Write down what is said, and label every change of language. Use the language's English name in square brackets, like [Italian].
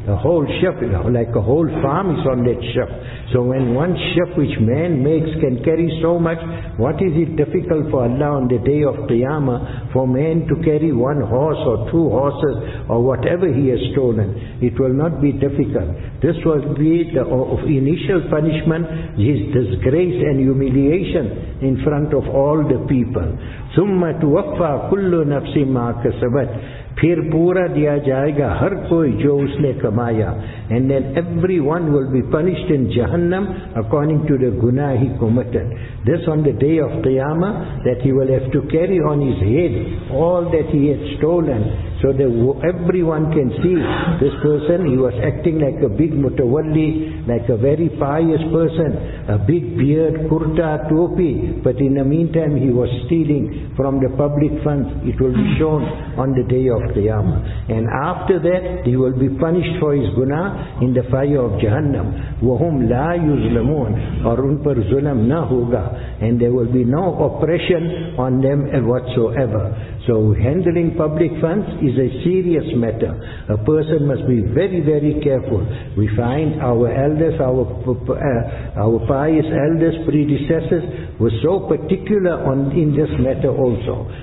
[English] The whole ship, like a whole farm is on that ship. So when one ship which man makes can carry so much, what is it difficult for Allah on the day of Qiyamah for man to carry one horse or two horses or whatever he has stolen? It will not be difficult. This will be the initial punishment, his disgrace and humiliation in front of all the people. [Arabic] ثُمَّ تُوَفَّى كُلُّ نَفْسٍ مَا كَسَبَتْ [Urdu] پھر پورا دیا جائے گا ہر کوئی جو اس نے کمایا. [English] And then everyone will be punished in Jahannam according to the guna he committed. This on the day of Qiyamah, that he will have to carry on his head all that he had stolen. So that everyone can see this person, he was acting like a big mutawalli, like a very pious person, a big beard, kurta, topi, but in the meantime he was stealing from the public funds. It will be shown on the day of Qiyamah. And after that he will be punished for his guna in the fire of Jahannam. [Arabic] وَهُمْ لَا يُزْلَمُونَ [Urdu] اور ان پر ظلم نہ ہوگا. [English] And there will be no oppression on them whatsoever. So handling public funds is a serious matter. A person must be very, very careful. We find our elders, our pious elders, predecessors, were so particular in this matter also.